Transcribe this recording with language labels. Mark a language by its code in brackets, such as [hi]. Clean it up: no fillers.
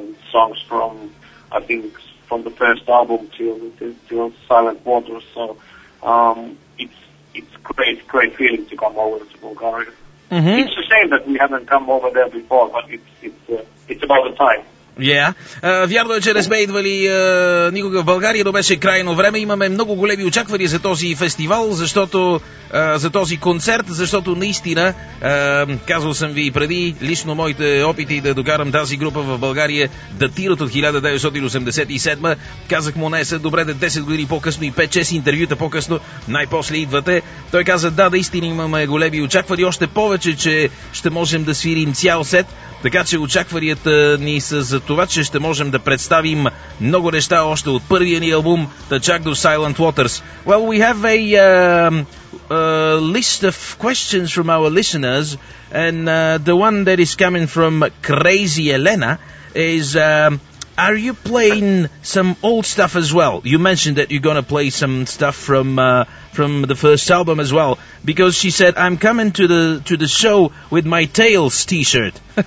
[en] songs from, I think, from the first album to Silent Waters, so it's great feeling to come over to Bulgaria. Mm-hmm. It's a shame that we haven't come over there before, but it's about the time. Yeah. [bg] Вярно е, че не сме идвали никога в България, но беше крайно време. Имаме много големи очаквания за този фестивал, защото за този концерт, защото наистина, казвал съм ви и преди, лично моите опити да докарам тази група в България датират от 1987. Казах му, не са добре, да 10 години по-късно и 5-6 интервюта по-късно, най-после идвате. Той каза, да, наистина имаме големи очаквания, още повече, че ще можем да свирим цял сет. Така че очакванията ни са за това, че ще можем да представим много неща още от първия ни албум, The Chuck до Silent Waters. [en] Well, we have a list of questions from our listeners, and the one that is coming from Crazy Elena is, are you playing some old stuff as well? You mentioned that you're going to play some stuff from the first album as well, because she said, I'm coming to the show with my Tails t-shirt.